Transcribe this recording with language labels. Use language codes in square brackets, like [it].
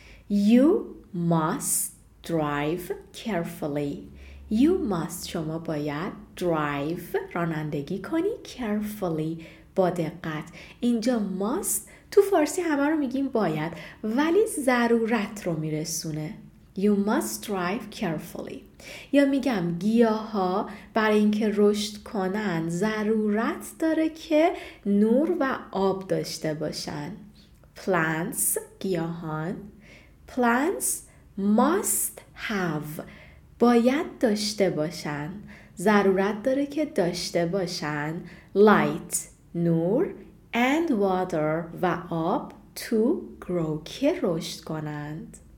[en] You must drive carefully. You must، [fa] شما باید drive رانندگی کنی carefully، با دقت. اینجا must تو فارسی همه رو میگیم باید، ولی ضرورت رو میرسونه. [en] You must drive carefully. [fa] یا میگم گیاها برای اینکه رشد کنن ضرورت داره که نور و آب داشته باشن. Plants، گیاهان. [en] Plants must have، [fa] باید داشته باشن، ضرورت داره که داشته باشن light، نور، [en] and water، [fa] و آب [en] to grow، [fa] که رشد کنند.